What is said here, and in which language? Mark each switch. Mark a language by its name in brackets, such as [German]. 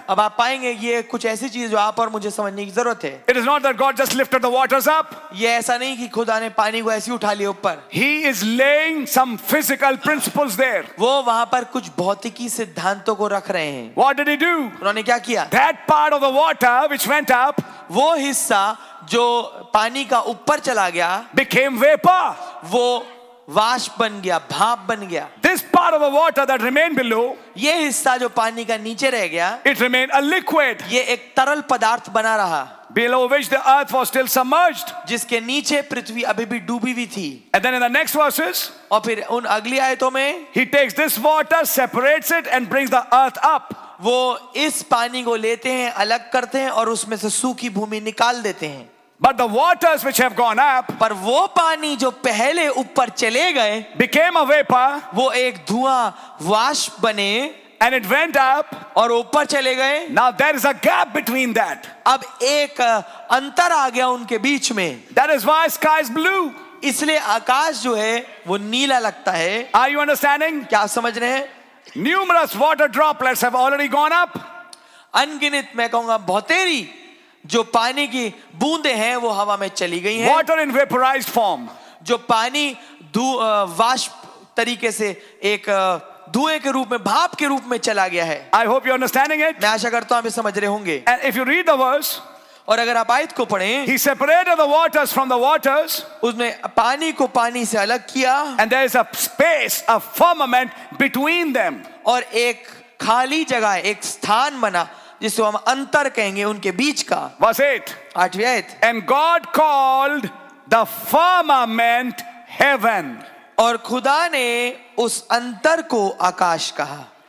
[Hindi] अब आप पाएंगे ये कुछ ऐसी चीज़ जो आप और मुझे समझने की ज़रूरत है. [English] It is not that God just lifted the waters up. [Hindi] ये ऐसा नहीं कि खुदा ने पानी को ऐसे उठा लिया ऊपर. [English] He is laying some physical principles there. [Hindi] वो वहाँ पर कुछ भौतिकी सिद्धांतों को रख रहे हैं. [English] What did he do? [Hindi] उन्होंने क्या किया? [English] That part of the water which went up. [Hindi] वो हिस्सा जो पानी का ऊपर चला गया. [English] Became vapor. [Hindi] वो वाष्प बन गया, भाप बन गया. [English] This part of the water that remained below, [Hindi] ये हिस्सा जो पानी का नीचे रह गया, [English] it remained a liquid, [Hindi] ये एक तरल पदार्थ बना रहा. [English] Below which the earth was still submerged, [Hindi] जिसके नीचे पृथ्वी अभी भी डूबी हुई थी. [English] And then in the next verses, [Hindi] और फिर उन अगली आयतों में, [English] he takes this water, separates it, and brings the earth up. [Hindi] वो इस पानी को लेते हैं, अलग करते हैं और उसमें से सूखी भूमि निकाल देते हैं. [English] But the waters which have gone up, [Hindi] पर वो पानी जो पहले ऊपर चले गए, [English] became a vapor, [Hindi] वो एक धुआं वाष्प बने, [English] and it went up, [Hindi] और ऊपर चले गए. [English] Now there is a gap between that. [Hindi] अब एक अंतर आ गया उनके बीच में. [English] That is why sky is blue. [Hindi] इसलिए आकाश जो है वो नीला लगता है. [English] Are you understanding? [Hindi] क्या समझ रहे हैं? [English] Numerous water droplets have already gone up. [Hindi] अनगिनत मैं कहूंगा बहुतेरी जो पानी की बूंदे हैं वो हवा में चली गई हैं. [English] Water in vaporized form. [Hindi] जो पानी वाष्प तरीके से एक धुएं के रूप में, भाप के रूप में चला गया है. [English] I hope you're understanding it. [Hindi] मैं आशा करता हूं आप समझ रहे होंगे. [English] And if you read the verse, [Hindi] और अगर आप आयत को पढ़ें, [English] He separated the waters from the waters. [Hindi] उसने पानी को पानी से अलग किया. [English] And there is a space, a firmament between them. [Hindi] और एक खाली जगह, एक स्थान बना, जिसे हम अंतर कहेंगे उनके बीच का. [English] Verse 8. [Hindi] आठवीं आयत. [English] And God called the firmament heaven. [Hindi] और खुदा ने उस अंतर को आकाश कहा.